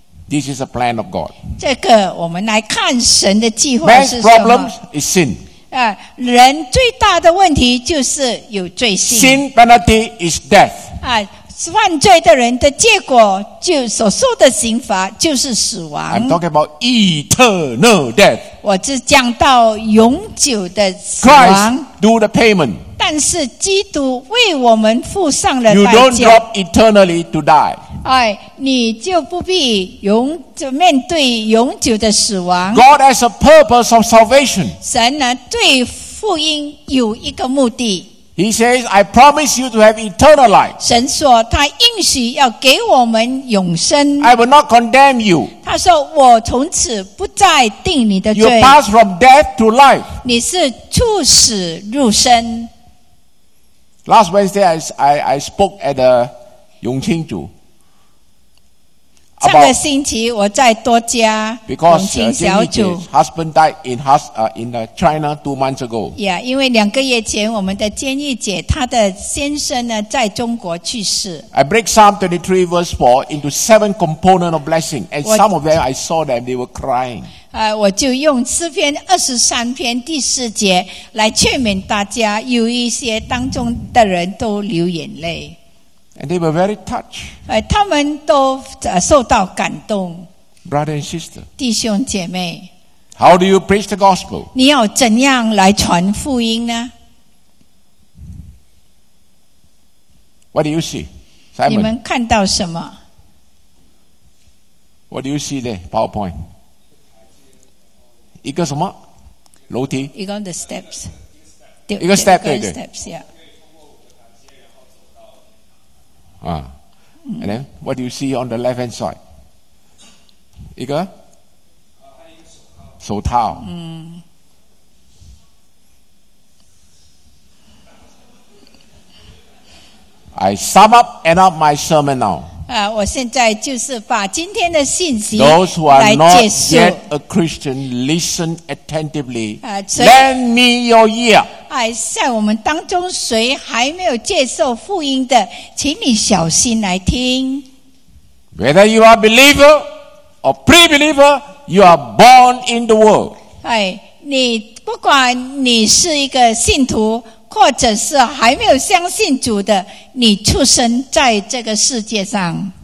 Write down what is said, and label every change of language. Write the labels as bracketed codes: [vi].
[en] This is a plan of God. [zh] 这个我们来看神的计划是什 [en] 么。Man's problem is sin. [zh] 人最大的问题就是有罪性。 [en] Sin penalty is death. [zh] 犯罪的人的结果就所受的刑罚就是死亡。 [en] I'm talking about eternal death. [zh] 我只讲到永久的死亡。 [en] Christ do the payment. [zh] 但是基督为我们付上了代 [en] 价。You don't drop eternally to die. [zh] 哎，你就不必永就面对永久的死亡。 [en] God has a purpose of salvation. [zh] 神呢对福音有一个目的。 [en] He says, I promise you to have eternal life. [zh] 神说他应许要给我们永生。 [en] I will not condemn you. [zh] 他说我从此不再定你的罪。 [en] You pass from death to life. [zh] 你是出死入生。 [en] Last Wednesday, I spoke at the 永清组。 [zh] 上个星期我在多家永清小组。 [en] Husband died in China 2 months ago. [zh] Yeah, 因为两个月前我们的监狱姐她的先生呢在中国去世。 [en] I break Psalm 23 verse 4 into 7 components of blessing, and some of them I saw them, they were crying. [zh] 我就用诗篇23篇第四节来劝勉大家，有一些当中的人都流眼泪。 [en] And they were very touched. [zh] 他们都受到感动。 [en] Brother and sister. [zh] 弟兄姐妹。 [en] How do you preach the gospel? [zh] 你要怎样来传福音呢？ [en] What do you see? Simon. [zh] 你们看到什么？ [en] What do you see there? PowerPoint. [zh] 一个什么？楼梯。一个 [en] the steps. [zh] 一个 step 对 [en] 对。Steps, yeah. And then, what do you see on the left hand side? [zh] 一个手套。 [en] I sum up and up my sermon now. [zh] 我现在就是把今天的信息来结束。 [en] Those who are not yet a Christian, listen attentively. Lend me your ear. [zh] 在我们当中谁还没有接受福音的，请你小心来听。 [en] Whether you are believer or pre-believer, you are born in the world. [zh] 你不管你是一个信徒，或者是还没有相信主的，你出生在这个世界上。